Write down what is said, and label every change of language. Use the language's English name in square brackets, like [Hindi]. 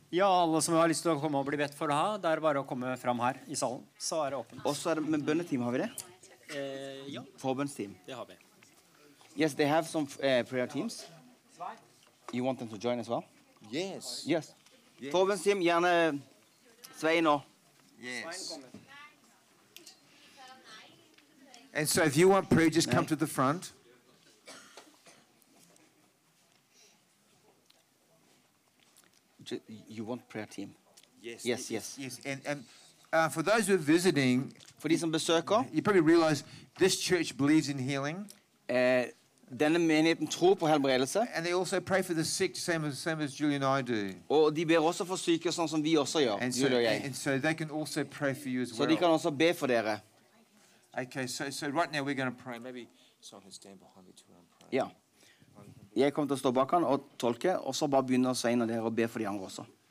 [Norwegian] Ja, alle som har lyst til å komme og bli bedt for det her, det bare å komme fram her I salen, så det åpent. Og så med bønneteam har vi det? Ja. Forbønnsteam. Det har vi. [English] Yes, they have some prayer teams. You want them to join as well? Yes. Yes. Yes. [Norwegian] Forbønnsteam, gjerne Svein og. [English] Yes. And so if you want prayer, just come to the front. You want prayer team? Yes. Yes. Yes. Yes. And for those who are visiting, [Norwegian] for de som besøker, [English] you probably realize this church believes in healing. [Norwegian] Denne menigheten tror på helbredelse. [English] And they also pray for the sick, same as Julie and I do. [Norwegian] Og de ber også for syke, sånn som vi også gjør. [English] And so they can also pray for you as well. [Norwegian] Så de kan også be for dere. [English] Okay. So right now we're going to pray. Maybe someone can stand behind me too and pray. Yeah. [Norwegian] Jeg kommer til å stå bak han og tolke, og så bare begynner Svein og dere å be for de andre også.